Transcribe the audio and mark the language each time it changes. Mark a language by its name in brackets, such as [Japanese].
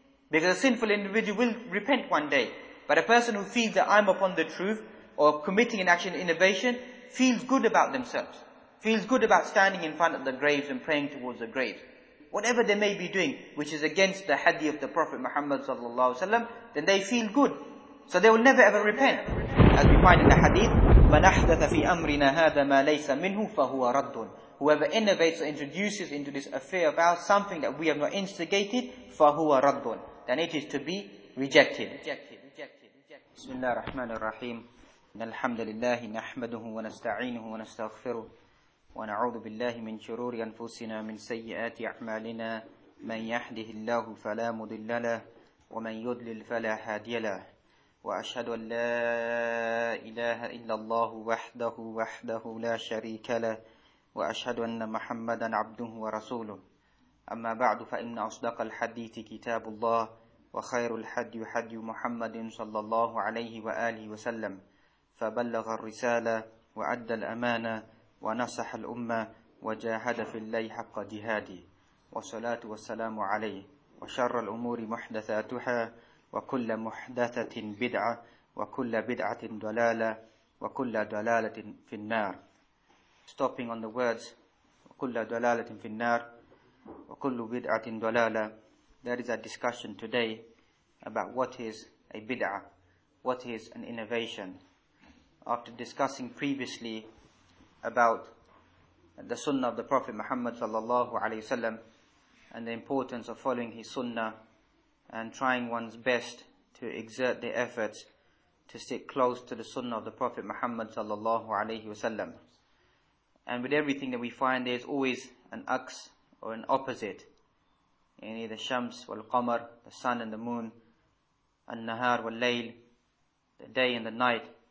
[English] Because a sinful individual will repent one day. But a person who feels that I'm upon the truth or committing an action innovation feels good about themselves. Feels good about standing in front of the graves and praying towards the graves. Whatever they may be doing, which is against the hadith of the Prophet Muhammad sallallahu alaihi wasallam, then they feel good. So they will never ever repent. As we find in the hadith, [Arabic] مَنْ أَحْدَثَ فِي أَمْرِنَا هَذَا مَا لَيْسَ مِنْهُ فَهُوَ رَدٌّ. [English] Whoever innovates or introduces into this affair of ours something that we have not instigated, [Arabic] فَهُوَ رَدٌّ. [English] Then it is to be rejected. [Arabic] بسم الله الرحمن الرحيم. إن الحمد لله نحمده ونستعينه ونستغفره ونعوذ بالله من شرور أنفسنا من سيئات أعمالنا من يهده الله فلا مضل له ومن يضلل فلا هادي له وأشهد أن لا إله إلا الله وحده وحده لا شريك له وأشهد أن محمدا عبده ورسوله أما بعد فإن أصدق الحديث كتاب الله وخير الحدي حدي محمد صلى الله عليه وآله وسلم فبلغ الرسالة وأدى الأمانة ونصح الأمة وجاهد في الله حق جهاده والصلاة والسلام عليه وشر الأمور محدثاتها وكل محدثة بدعة وكل بدعة ضلالة وكل ضلالة في النار. [English] Stopping on the words [Arabic] وكل ضلالة في النار وكل بدعة ضلالة. [English] There is a discussion today about what is a bid'ah, what is an innovation. After discussing previously about the sunnah of the Prophet Muhammad sallallahu alaihi wasallam and the importance of following his sunnah and trying one's best to exert the efforts to stick close to the sunnah of the Prophet Muhammad sallallahu alaihi wasallam, and with everything that we find there is always an ax or an opposite, in either shams wal qamar, the sun and the moon, an nahar wal layl, the day and the night.